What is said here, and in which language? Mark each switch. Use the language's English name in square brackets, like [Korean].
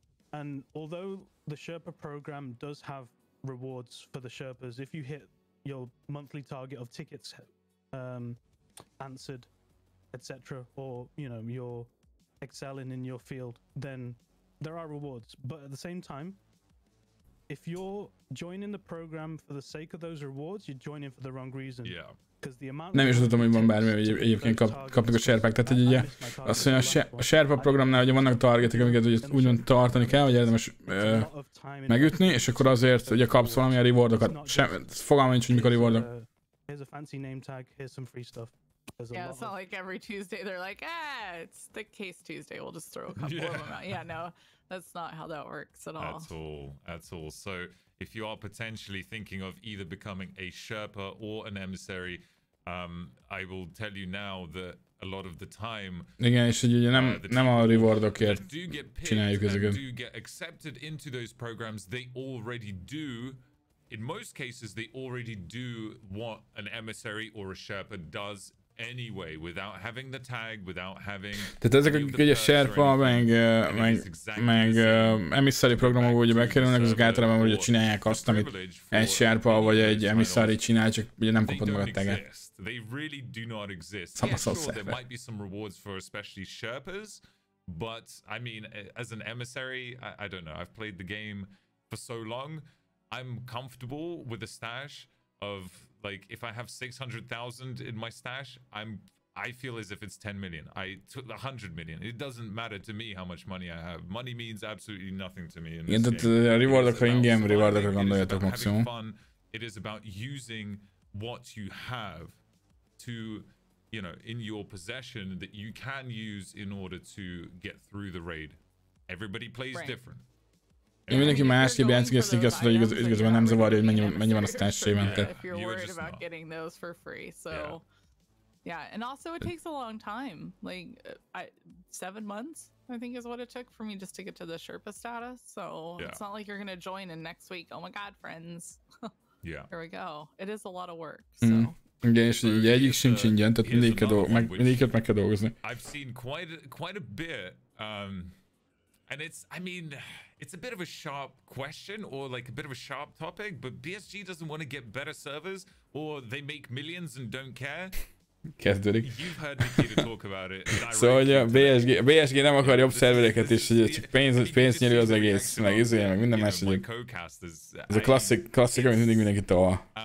[English] And although the sherpa program does have rewards for the sherpas, if you hit your monthly target of tickets answered, etc., or you know, you're excelling in your field, then there are rewards. But at the same time, if you're joining the program for the sake of those rewards, you're joining for the wrong reason. Yeah. [Hungarian] Nem is tudom, hogy van bármi, hogy egyébként kapnak a sherpák. Tehát hogy ugye azt mondja, a sherpa programnál ugye vannak targetek, amiket úgymond tartani kell, vagy érdemes megütni, és akkor azért ugye kapsz valamilyen rewardokat. Fogalma nincs, hogy mik a rewardok. [English] Here's a fancy name tag, here's some free stuff. Yeah, it's not like every Tuesday they're like, it's the case Tuesday, we'll just throw a couple of them out. Yeah, no. That's not how that works at all. At all. So if you are potentially thinking of either becoming a Sherpa or an emissary, I will tell you now that a lot of the time, [Hungarian] igen, és ugye nem a rewardokért csináljuk ezeket. [English] Do get accepted into those programs, they already do. In most cases, they already do what an emissary or a Sherpa does. Anyway, without having the tag, without having. [Hungarian] Tehát ezek a sherpa, meg emissary programok, ugye bekerülnek, azok általában ugye csinálják azt, amit egy sherpa vagy egy emissary csinál, csak ugye nem kapod meg a taget. [English] They really do not exist. Yeah, sure, there might be some rewards for especially sherpas, but I mean, as an emissary, I don't know. I've played the game for so long, I'm comfortable with a stash of. Like if I have 600,000 in my stash, I feel as if it's 10 million. I 100 million. It doesn't matter to me how much money I have. Money means absolutely nothing to me. [Hungarian] Igen, tehát a rewardokra, ingame rewardokra gondoljatok maximum. [English] It is about using what you have to, you know, in your possession that you can use in order to get through the raid. Everybody plays different. [Hungarian] Én mindenki másképp játszik, ezt igaz, hogy igazából nem zavarja, hogy mennyi van a stash-ében. [English] If you're worried about getting those for free, so... Yeah, and also it takes a long time. Like, 7 months, I think is what it took for me just to get to the Sherpa status. So, it's not like you're gonna join in next week. Oh my god, friends. Yeah. Here we go. It is a lot of work, so... [Hungarian] Igen, és ugye egyik sincs ingyen, tehát mindegyiket meg kell dolgozni. [English] I've seen quite a bit, and it's, I mean... It's a bit of a sharp question or like a bit of a sharp topic, but BSG doesn't want to get better servers or they make millions and don't care. [Hungarian] Kezdődik. [English] You've heard Nikita talk about it. [Hungarian] Szóval, hogy BSG nem akar jobb szervereket, és hogy csak pénz nyeri az egész, meg izője, meg minden más, ez a klasszik, amit mindig mindenki tovább.